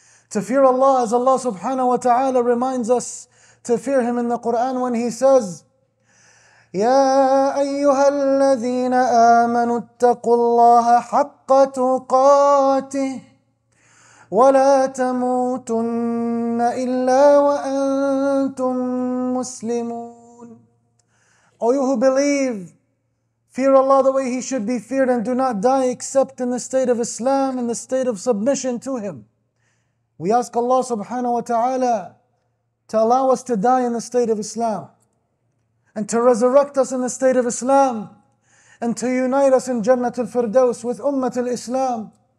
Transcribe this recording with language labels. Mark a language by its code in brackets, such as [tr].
[en] To fear Allah, as Allah subhanahu wa ta'ala reminds us to fear Him in the Qur'an when He says, [ar] يا أيها الذين آمنوا اتقوا الله حق تقاته ولا تموتن إلا وأنتم مسلمون. [en] O you who believe, fear Allah the way He should be feared and do not die except in the state of Islam, in the state of submission to Him. We ask Allah subhanahu wa ta'ala to allow us to die in the state of Islam and to resurrect us in the state of Islam and to unite us in Jannat al-Firdaus with Ummat al-Islam.